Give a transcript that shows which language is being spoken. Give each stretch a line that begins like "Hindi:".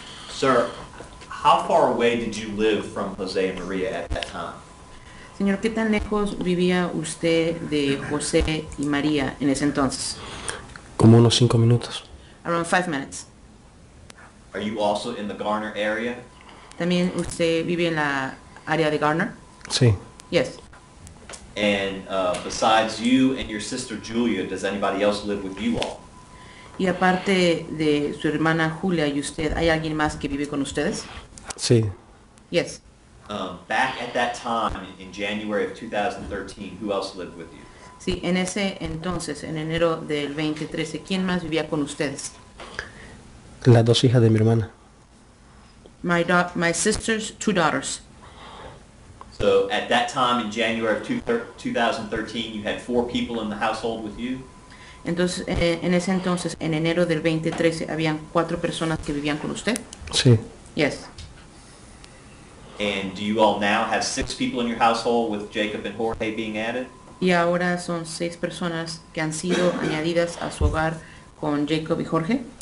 English: Sir, how far away did you live from Jose and Maria at that time?
Spanish: Señor, ¿qué tan lejos vivía usted de José y María en ese entonces? Como unos 5 minutos.
English: Around 5 minutes. Are you also in the Garner area?
Spanish: ¿También usted vive en la área de Garner? Sí.
English: Yes. And besides you and your sister Julia, does anybody else live with you all?
Spanish: Y aparte de su hermana Julia y usted, ¿hay alguien más que vive con ustedes? Sí.
English: Yes. Back at that time, in January of 2013, who else lived with you?
Spanish: Sí, en ese entonces, en enero del 2013, ¿quién más vivía con ustedes? Las dos hijas de mi hermana.
English: My sister's two daughters. So, at that time, in January of 2013, you had 4 people in the household with you?
Spanish: Entonces, en ese entonces, en enero del 2013, habían 4 personas que vivían con usted. Sí.
English: Yes. And do you all now have 6 people in your household with Jacob and Jorge being added?
Spanish: Y ahora son 6 personas que han sido añadidas a su hogar con Jacob y Jorge.